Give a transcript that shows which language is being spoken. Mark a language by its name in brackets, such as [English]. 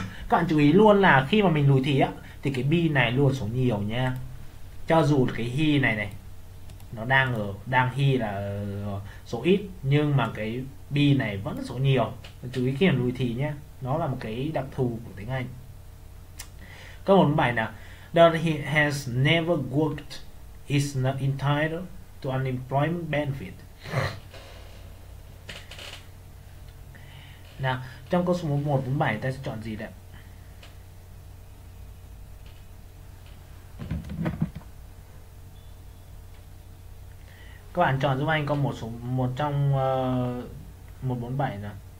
[Vietnamese] Bạn chú ý luôn là khi mà mình lùi thì á thì cái be này luôn số nhiều nha. Cho dù cái he này này nó đang ở đang he là số ít, nhưng mà cái be này vẫn số nhiều. Chú ý khi mà lùi thì nhé, nó là một cái đặc thù của tiếng Anh. Câu 147 nào. [English] That he has never worked is not entitled to unemployment benefit. [Vietnamese] Nào, trong câu số 147 ta sẽ chọn gì đây? Các bạn chọn giúp anh có một số một trong 147 nào.